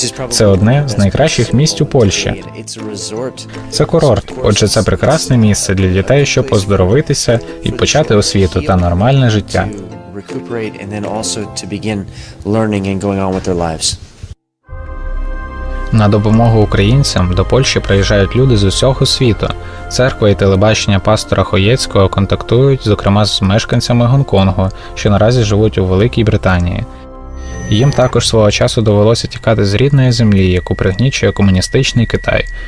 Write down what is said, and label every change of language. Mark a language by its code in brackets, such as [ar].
[uk] Це одне з найкращих місць у Польщі. Це курорт, отже це прекрасне місце для дітей, щоб оздоровитися і почати освіту та нормальне життя. [en] Recuperate and then also to begin learning and going on with their lives. [uk] На допомогу українцям до Польщі приїжджають люди з усього світу. Церква і телебачення пастора Хоєцького контактують, зокрема, з мешканцями Гонконгу, що наразі живуть у Великій Британії. Їм також свого часу довелося тікати з рідної землі, яку пригнічує комуністичний Китай.